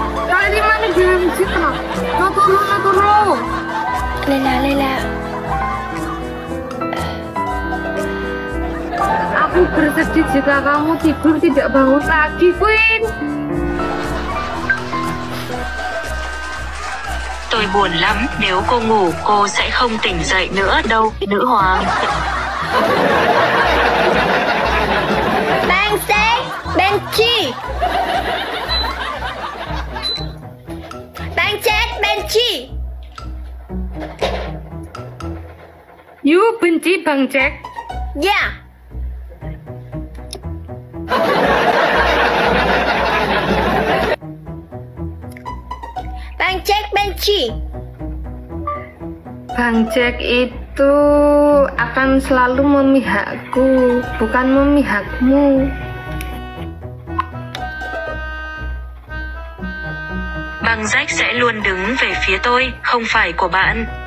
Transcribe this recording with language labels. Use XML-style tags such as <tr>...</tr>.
<id>Kali ini mana di masjid lah? Gak turu. Lelah. Aku bersedih jika kamu tidur tidak bangun lagi, Queen.</id> <vi>Tôi buồn lắm, nếu cô ngủ, cô sẽ không tỉnh dậy nữa đâu, nữ hoàng.</vi> <id>Bang Se, Bang Chi. Bang Se, Bang Chi. You benci Bang Jack?</id> <en>Yeah.</en> <id>Bang Jack benci. Bang Jack itu akan selalu memihakku, bukan memihakmu.</id> <vi>Bang Jack sẽ luôn đứng về phía tôi, không phải của bạn.</vi>